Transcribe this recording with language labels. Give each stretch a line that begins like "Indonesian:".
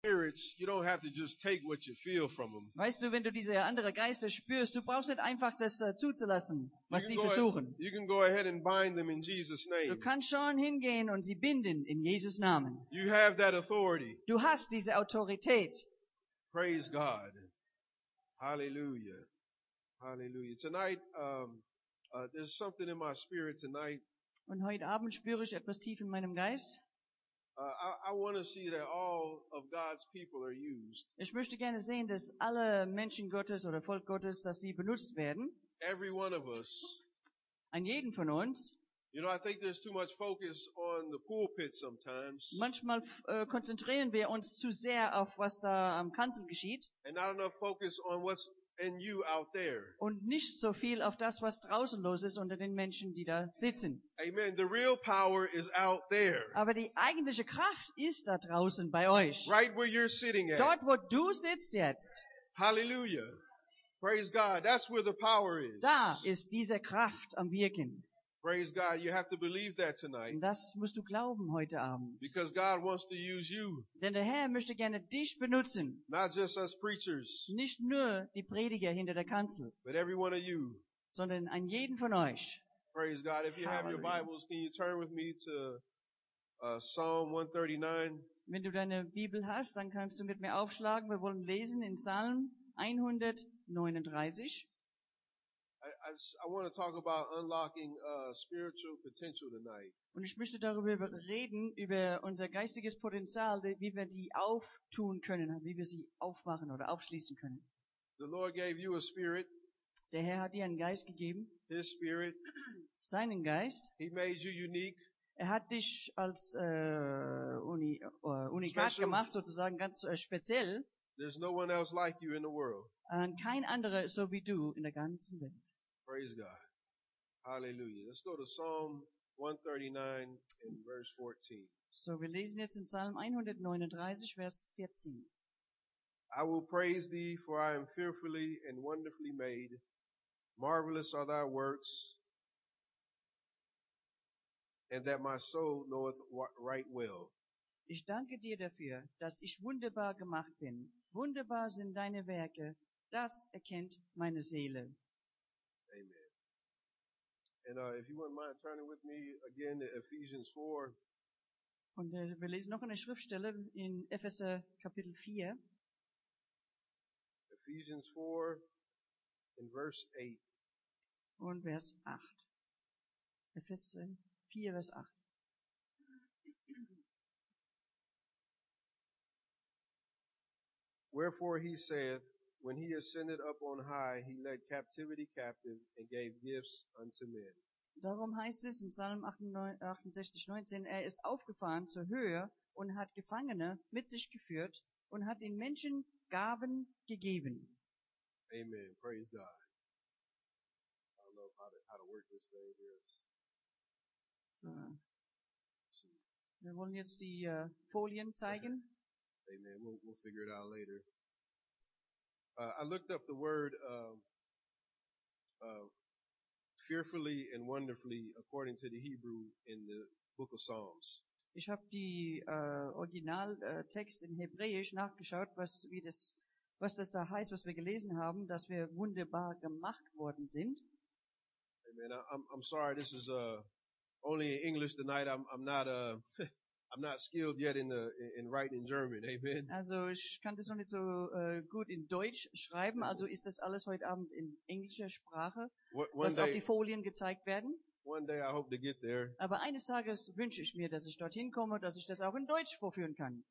German: Weißt du, wenn du diese andere Geister spürst, du brauchst nicht einfach das zuzulassen, was die versuchen.
English: You can go ahead and bind them in Jesus name.
German: Du kannst schon hingehen und sie binden in Jesus Namen.
English: You have that authority.
German: Du hast diese Autorität.
English: Praise God. Hallelujah. Hallelujah. Tonight, there's something in my spirit tonight.
German: Und heute Abend spüre ich etwas tief in meinem Geist.
English: I want to see that all of God's people are used.
German: Ich möchte gerne sehen, dass alle Menschen Gottes oder Volk Gottes, dass die benutzt werden.
English: Every one of us.
German: An jeden von uns.
English: You know, I think there's too much focus on the pulpit sometimes.
German: Manchmal konzentrieren wir uns zu sehr auf was da am Kanzel geschieht.
English: And not enough focus on what's in you out there.
German: Und nicht so viel auf das, was draußen los ist unter den Menschen, die da sitzen.
English: Amen. The real power is out there.
German: Aber die eigentliche Kraft ist da draußen bei euch.
English: Right where you're sitting at.
German: Dort, wo du sitzt jetzt.
English: Hallelujah. Praise God. That's where the power is.
German: Da ist diese Kraft am Wirken.
English: Praise God, you have to believe that tonight.
German: Das musst du glauben heute Abend.
English: Because God wants to use you.
German: Denn der Herr möchte gerne dich benutzen.
English: Not just us preachers.
German: Nicht nur die Prediger hinter der Kanzel.
English: But every one of you.
German: Sondern an jeden von euch.
English: Praise God, if you have your Bibles, can you turn with me to Psalm 139?
German: Wenn du deine Bibel hast, dann kannst du mit mir aufschlagen. Wir wollen lesen in Psalm 139.
English: I want to talk about unlocking spiritual potential tonight.
German: Und ich möchte darüber reden, über unser geistiges Potenzial, wie wir die auftun können, wie wir sie aufmachen oder aufschließen können.
English: The Lord gave you a spirit.
German: Der Herr hat dir einen Geist gegeben.
English: His spirit.
German: Seinen Geist.
English: He made you unique.
German: Er hat dich als Unikat special. Gemacht, sozusagen ganz speziell.
English: There's no one else like you in the world.
German: Und kein anderer so wie du in der ganzen Welt.
English: Praise God. Hallelujah. Let's go to Psalm 139 and verse 14.
German: So wir lesen jetzt in Psalm 139, Vers 14.
English: I will praise thee, for I am fearfully and wonderfully made. Marvelous are thy works, and that my soul knoweth right well.
German: Ich danke dir dafür, dass ich wunderbar gemacht bin. Wunderbar sind deine Werke. Das erkennt meine Seele.
English: Amen. And if you wouldn't mind turning with me again to Ephesians 4.
German: Und wir lesen noch eine Schriftstelle in Epheser Kapitel 4.
English: Ephesians 4 in verse 8.
German: Und Vers 8. Epheser 4, Vers 8.
English: Wherefore he saith, when he ascended up on high, he led captivity captive and gave gifts unto men.
German: Darum heißt es in Psalm 68:19, er ist aufgefahren zur Höhe und hat Gefangene mit sich geführt und hat den Menschen Gaben gegeben.
English: Amen. Praise God. I don't know how to work this thing here.
German: So. Wir wollen jetzt die Folien zeigen.
English: Amen. We'll figure it out later. I looked up the word fearfully and wonderfully according to the Hebrew in the book of Psalms.
German: Ich habe die Original Text in Hebräisch nachgeschaut, was das da heißt, was wir gelesen haben, dass wir wunderbar gemacht worden sind.
English: Amen. I'm sorry, this is only in English tonight. I'm not skilled yet in writing in German. Amen.
German: Also, ich kann das noch nicht so gut in Deutsch schreiben. Also ist das alles heute Abend in englischer Sprache, was auf die Folien gezeigt werden.
English: One day I hope to get there.
German: Aber eines Tages wünsche ich mir, dass ich dorthin komme, dass ich das auch in Deutsch vorführen kann.